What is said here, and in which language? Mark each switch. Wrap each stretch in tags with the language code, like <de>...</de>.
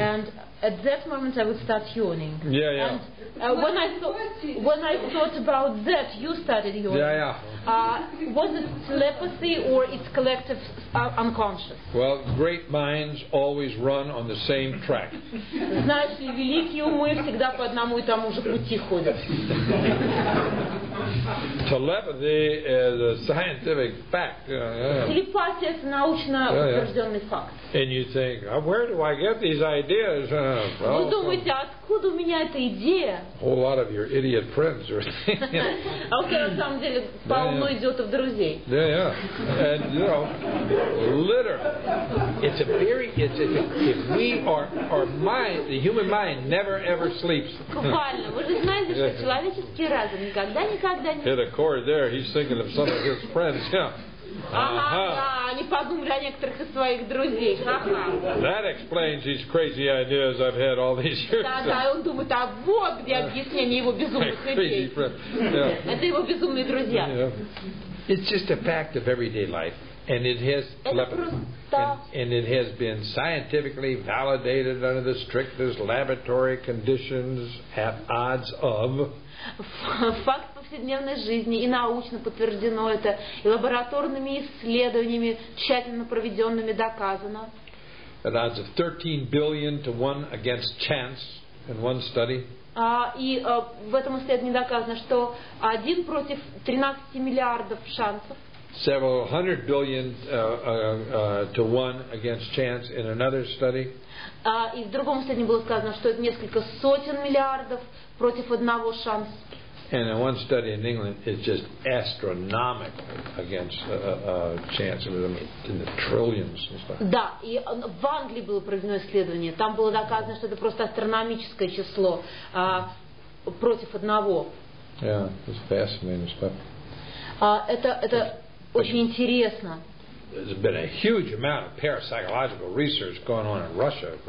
<en>And at that moment, I would start yawning. Yeah, yeah. And when I thought about that, you started yawning. Yeah, yeah. Was it telepathy or it's collective unconscious? Well, great minds always run on the same track.</en> <ru>Знаешь ли, великие умы всегда по одному и тому же пути ходят.</ru> <en>Telepathy is a scientific fact.</en> <ru>Телепатия — это научно утвержденный факт.</ru> <en>And you think, where do I get these ideas?</en> <ru>Вы думаете, откуда у меня эта идея?</ru> <en>A whole lot of your idiot friends are saying.</en> <ru>А у тебя на самом деле полно идиотов друзей.</ru> <en>Yeah, yeah. And you know, literally, our mind, the human mind never ever sleeps.</en> <ru>Буквально. Вы же знаете, что человеческий разум никогда, никогда не.</ru> <en>Hit a chord there. He's thinking of some of his friends. Yeah.</en> <ru>Ага, они подумали о некоторых из своих друзей.</ru> <en>That explains these crazy ideas I've had all these years.</en> <ru>Да, он думает, а вот где объяснение его безумных идей. Это его безумные друзья.</ru> <en>It's just a fact of everyday life, and it has and it has been scientifically validated under the strictest laboratory conditions at odds of.</en> <ru>Факт повседневной жизни и научно подтверждено это, и лабораторными исследованиями, тщательно проведенными, доказано.</ru> <en>At odds of 13 billion to 1 against chance in one study.</en> <ru>В этом исследовании доказано, что 1 против 13 миллиардов шансов.</ru> <en>Several hundred billion to 1 against chance in another study.</en> <ru>И в другом исследовании было сказано, что это несколько сотен миллиардов против одного шанса.</ru> <en>And in one study in England, it's just astronomical against chance of them in the trillions and stuff.</en> <ru>Да, и в Англии было проведено исследование. Там было доказано, что это просто астрономическое число против одного.</ru> <en>Yeah, it's fascinating stuff.</en> <ru>Это очень интересно.</ru> <en>There's been a huge amount of parapsychological research going on in Russia.</en>